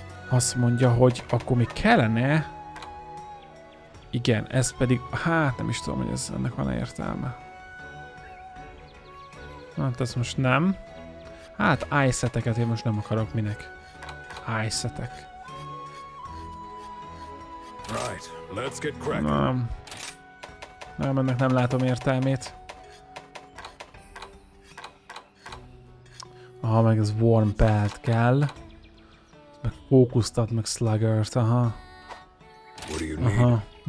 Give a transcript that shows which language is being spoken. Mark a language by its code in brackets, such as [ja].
[hu] Azt mondja, hogy akkor még kellene... Igen, ez pedig... Hát, nem is tudom, hogy ez ennek van-e értelme. Hát, ez most nem. Hát, ice-eteket én most nem akarok, minek. Ice-etek. [en] Right, let's get cracking. [hu] Nem, ennek nem látom értelmét. Aha, meg ez warm pelt kell. Meg fókusztat, meg sluggert, aha. Aha.